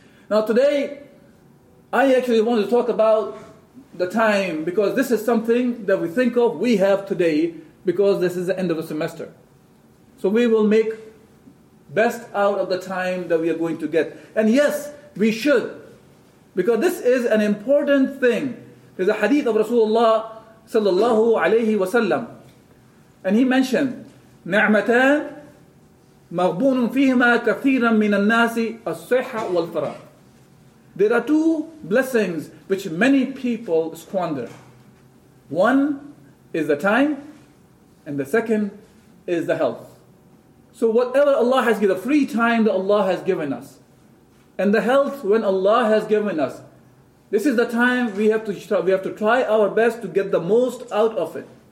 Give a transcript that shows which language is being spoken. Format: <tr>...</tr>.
<en>Now today, I actually want to talk about the time because this is something that we think of, we have today because this is the end of the semester. So we will make best out of the time that we are going to get. And yes, we should, because this is an important thing. There's a hadith of Rasulullah sallallahu alayhi wa sallam. And he mentioned,</en> <ar>نعمتان مغبون فيهما كثيرا من الناس الصحة والفراغ.</ar> <en>There are two blessings which many people squander. One is the time, and the second is the health. So whatever Allah has given, the free time that Allah has given us, and the health when Allah has given us, this is the time we have to try our best to get the most out of it.</en>